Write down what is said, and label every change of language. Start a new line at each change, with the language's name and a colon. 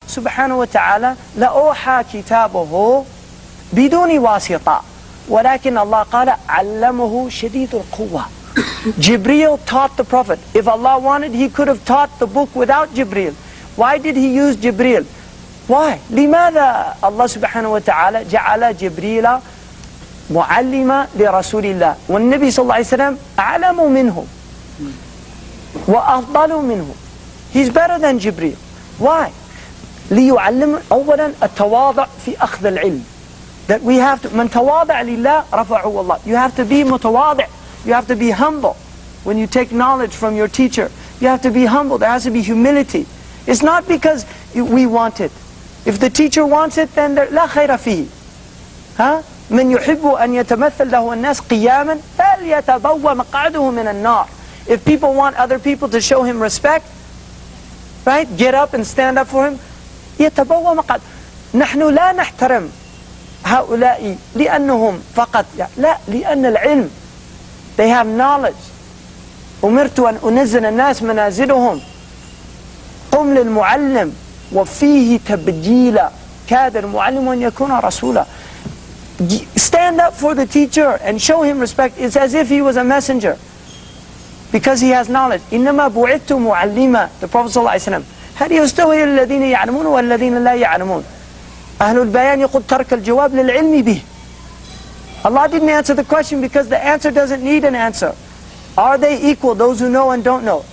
Arabic: سبحانه وتعالى لأوحى كتابه بدون واسطة، ولكن الله قال علمه شديد القوة.
English: Jibreel taught the Prophet. If Allah wanted, he could have taught the book without Jibreel. Why did he use Jibreel? Why?
Arabic: لماذا الله سبحانه وتعالى جعل جبريل معلما لرسول الله والنبي صلى الله عليه وسلم أعلم منه وأفضل منه.
English: He's better than Jibreel. Why?
Arabic: ليعلم أولا التواضع في أخذ العلم.
English: That we have to,
Arabic: من تواضع لله رفعه الله.
English: You have to be متواضع. You have to be humble. When you take knowledge from your teacher, you have to be humble. There has to be humility. It's not because we want it. If the teacher wants it, then there
Arabic: لا خير فيه. ها؟ من يحب أن يتمثل له الناس قياما فليتبوى مقعده من النار.
English: If people want other people to show him respect, right? Get up and stand up for him.
Arabic: يتبوى مقعد. نحن لا نحترم هؤلاء لأنهم فقط لا لأن العلم.
English: They have knowledge.
Arabic: أمرت أن أنزل الناس منازلهم. قم للمعلم وفيه تبجيلا. كاد المعلم أن يكون رسولا.
English: Stand up for the teacher and show him respect. It's as if he was a messenger. Because he has knowledge.
Arabic: إنما بعثت معلما.
English: The Prophet
Arabic: صلى الله عليه وسلم. هل يستوي الذين يعلمون والذين لا يعلمون؟ أهل البيان يقول ترك الجواب للعلم به.
English: Allah didn't answer the question because the answer doesn't need an answer. Are they equal, those who know and don't know?